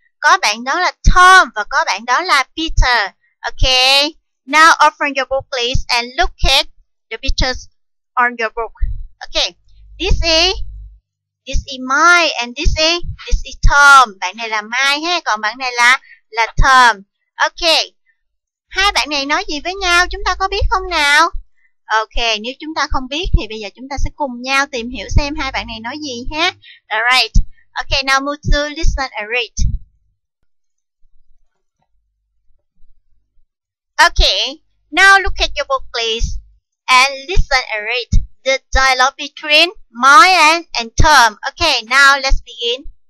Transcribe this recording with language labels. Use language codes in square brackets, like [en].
[vi] Có bạn đó là Tom và có bạn đó là Peter. [en] Okay, now open your book please and look at the pictures on your book. Okay, this is Mai and this is Tom. [vi] Bạn này là Mai ha, còn bạn này là Tom. Okay, hai bạn này nói gì với nhau chúng ta có biết không nào? Okay, nếu chúng ta không biết thì bây giờ chúng ta sẽ cùng nhau tìm hiểu xem hai bạn này nói gì ha. [en] Alright, okay, now move to listen and read. Okay, now look at your book, please, and listen and read the dialogue between Mai and Tom. Okay, now let's begin.